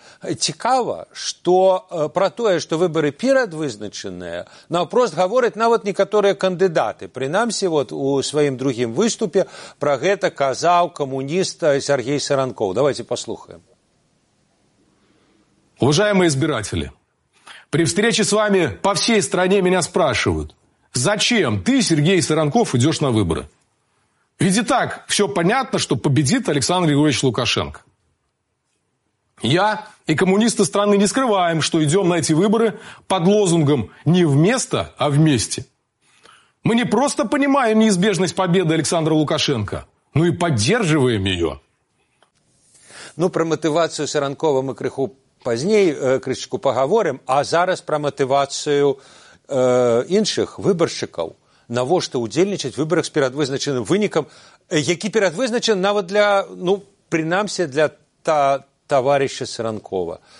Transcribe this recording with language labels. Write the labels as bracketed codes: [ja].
[be] Цікава, што пра тое, што выбары перадвызначаныя, наўпрост гаворыць нават некаторыя кандыдаты. Прынамсі, вот у сваім другім выступе пра гэта казаў камуніст Сергей Саранкоў. Давайте паслухаем. [ru] Уважаемые избиратели! При встрече с вами по всей стране меня спрашивают, зачем ты, Сергей Саранков, идешь на выборы? Ведь и так все понятно, что победит Александр Григорьевич Лукашенко. Я и коммунисты страны не скрываем, что идем на эти выборы под лозунгом «не вместо, а вместе». Мы не просто понимаем неизбежность победы Александра Лукашенко, но и поддерживаем ее. [be] Ну, про мотивацию Саранкова мы крыху пазней крышку паговорым, а зараз пра матывацыю іншых выбаршчыкаў. Навошта ўдзельнічаць у выбарах з перадвызначаным вынікам, які перадвызначаны нават для, ну, прынамсі для таварыша Саранкова.